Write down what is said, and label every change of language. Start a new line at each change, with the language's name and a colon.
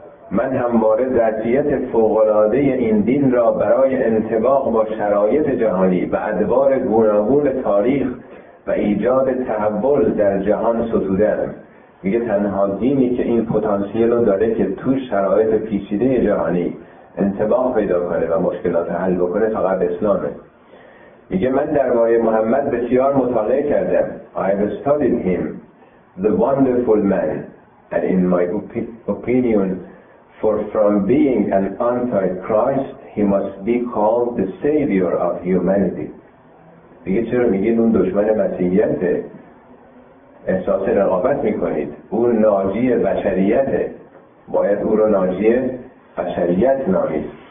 Persian: من همواره ذاتیت فوق‌العاده این دین را برای انطباق با شرایط جهانی و ادوار گوناگون تاریخ و ایجاد تحول در جهان ستودم. میگه تنها دینی که این پتانسیل رو داره که تو شرایط پیچیده جهانی انطباق پیدا کنه و مشکلات حل بکنه فقط اسلامه. میگه من درباره محمد بسیار مطالعه کردم.
English: I have studied him, the wonderful man, and in my opinion, for from being an anti-Christ, he must be called the savior of humanity.
Persian: میگه چرا میگید اون دشمن مسیحیته؟ احساس رقابت میکنید، اون ناجی بشریته، باید اون رو ناجی بشریت نامید.